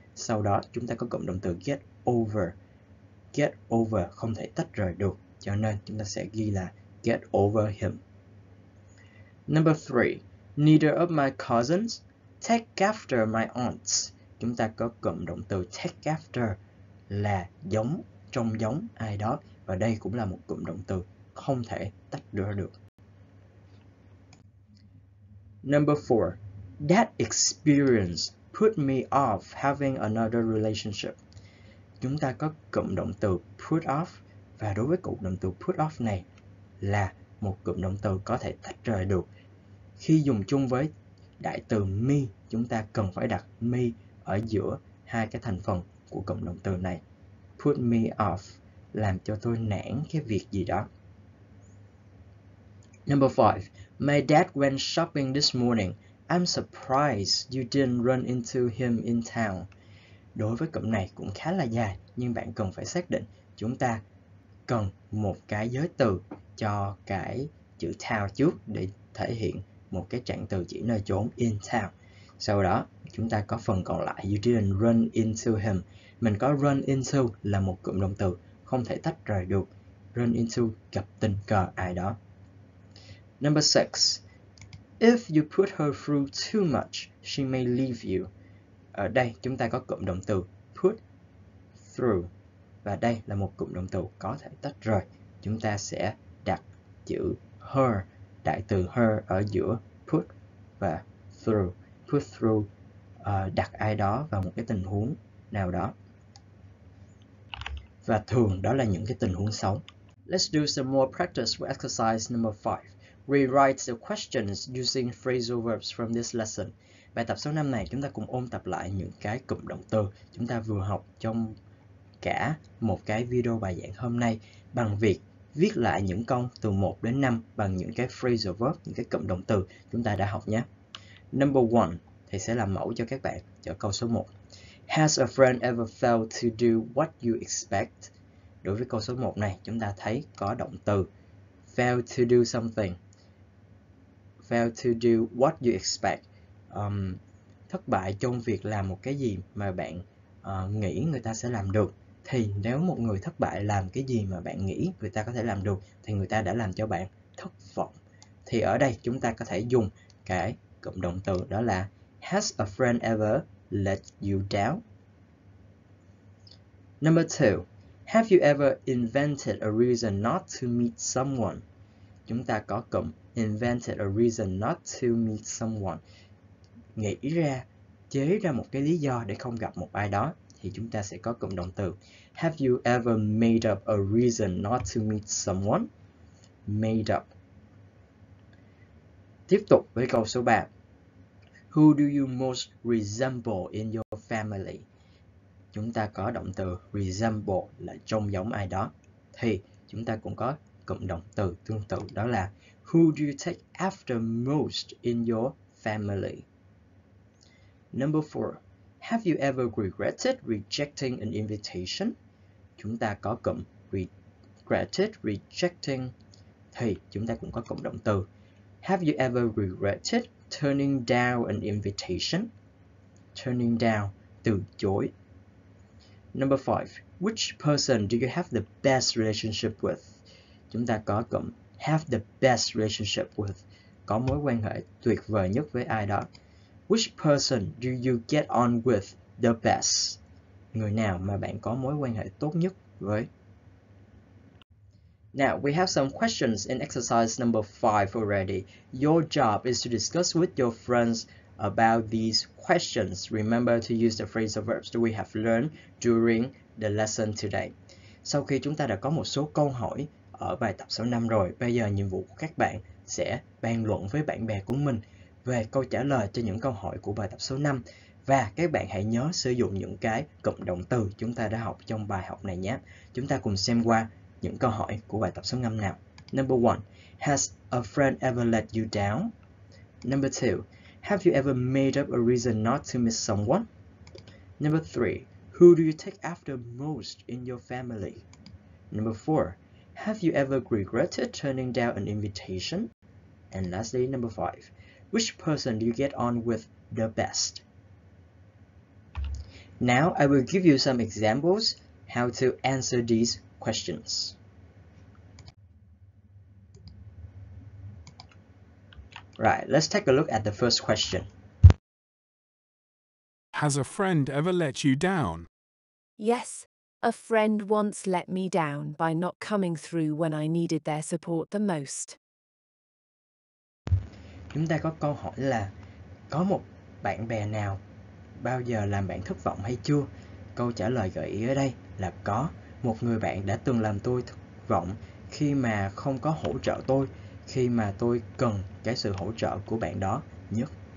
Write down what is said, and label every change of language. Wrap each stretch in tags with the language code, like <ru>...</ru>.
<vi>Sau đó chúng ta có cụm động từ get over. Get over không thể tách rời được, cho nên chúng ta sẽ ghi là</vi> <en>get over him. Number 3. Neither of my cousins take after my aunts.</en> <vi>Chúng ta có cụm động từ take after là giống, trông giống ai đó. Và đây cũng là một cụm động từ không thể tách ra được.</vi> <en>Number 4. That experience put me off having another relationship.</en> <vi>chúng ta có cụm động từ put off, và đối với cụm động từ put off này là một cụm động từ có thể tách rời được. Khi dùng chung với đại từ me, chúng ta cần phải đặt me ở giữa hai cái thành phần của cụm động từ này.</vi> <en>Put me off,</en> <vi>làm cho tôi nản cái việc gì đó.</vi> <en>Number 5. My dad went shopping this morning. I'm surprised you didn't run into him in town.</en> <vi>Đối với cụm này cũng khá là dài, nhưng bạn cần phải xác định chúng ta cần một cái giới từ cho cái chữ town trước để thể hiện một cái trạng từ chỉ nơi chốn</vi> <en>in town.</en> <vi>Sau đó, chúng ta có phần còn lại</vi> <en>you didn't run into him.</en> <vi>Mình có run into là một cụm động từ không thể tách rời được. Run into gặp tình cờ ai đó. Number 6. If you put her through too much, she may leave you. Ở đây chúng ta có cụm động từ put through, và đây là một cụm động từ có thể tách rời. Chúng ta sẽ đặt chữ her, đại từ her ở giữa put và through. Put through đặt ai đó vào một cái tình huống nào đó, và thường đó là những cái tình huống xấu.</vi> <en>Let's do some more practice with exercise number 5. Rewrite the questions using phrasal verbs from this lesson.</en> <vi>Bài tập số 5 này chúng ta cùng ôn tập lại những cái cụm động từ chúng ta vừa học trong cả một cái video bài giảng hôm nay bằng việc viết lại những câu từ 1 đến 5 bằng những cái phrasal verb, những cái cụm động từ chúng ta đã học nhé.</vi> <en>Number 1</en> <vi>thì sẽ làm mẫu cho các bạn cho câu số 1.</vi> <en>Has a friend ever failed to do what you expect?</en> <vi>Đối với câu số 1 này chúng ta thấy có động từ fail to do something.</vi> <en>Fail to do what you expect.</en> <vi>Thất bại trong việc làm một cái gì mà bạn nghĩ người ta sẽ làm được. Thì nếu một người thất bại làm cái gì mà bạn nghĩ người ta có thể làm được, thì người ta đã làm cho bạn thất vọng. Thì ở đây chúng ta có thể dùng cái cụm động từ đó là</vi> <en>has a friend ever let you down? Number 2. Have you ever invented a reason not to meet someone?</en> <vi>Chúng ta có cụm</vi> <en>invented a reason not to meet someone.</en> <vi>Nghĩ ra, chế ra một cái lý do để không gặp một ai đó, thì chúng ta sẽ có cụm động từ.</vi> <en>Have you ever made up a reason not to meet someone? Made up.</en> <vi>Tiếp tục với câu số 3.</vi> <en>Who do you most resemble in your family?</en> <vi>Chúng ta có động từ resemble là trông giống ai đó. Thì chúng ta cũng có cụm động từ tương tự đó là</vi> <en>who do you take after most in your family? Number 4. Have you ever regretted rejecting an invitation?</en> <vi>Chúng ta có cụm</vi> <en>regretted rejecting.</en> <vi>Thì chúng ta cũng có cụm động từ</vi> <en>have you ever regretted turning down an invitation? Turning down,</en> <vi>từ chối.</vi> <en>Number 5. Which person do you have the best relationship with?</en> <vi>Chúng ta có cụm</vi> <en>have the best relationship with,</en> <vi>có mối quan hệ tuyệt vời nhất với ai đó.</vi> <en>Which person do you get on with the best?</en> <vi>Người nào mà bạn có mối quan hệ tốt nhất với?</vi> <en>Now, we have some questions in exercise number 5 already. Your job is to discuss with your friends about these questions. Remember to use the phrasal verbs that we have learned during the lesson today.</en> <vi>Sau khi chúng ta đã có một số câu hỏi ở bài tập số 5 rồi, bây giờ nhiệm vụ của các bạn sẽ bàn luận với bạn bè của mình về câu trả lời cho những câu hỏi của bài tập số 5. Và các bạn hãy nhớ sử dụng những cái cụm động từ chúng ta đã học trong bài học này nhé. Chúng ta cùng xem qua những câu hỏi của bài tập số 5 nào.</vi> <en>Number 1. Has a friend ever let you down? Number 2. Have you ever made up a reason not to miss someone? Number 3. Who do you take after most in your family? Number 4. Have you ever regretted turning down an invitation? And lastly, number 5. Which person do you get on with the best? Now I will give you some examples how to answer these questions. Right, let's take a look at the first question. Has a friend ever let you down? Yes, a friend once let me down by not coming through when I needed their support the most.</en> <vi>Chúng ta có câu hỏi là có một bạn bè nào bao giờ làm bạn thất vọng hay chưa? Câu trả lời gợi ý ở đây là có. Một người bạn đã từng làm tôi thất vọng khi mà không có hỗ trợ tôi, khi mà tôi cần cái sự hỗ trợ của bạn đó nhất.</vi>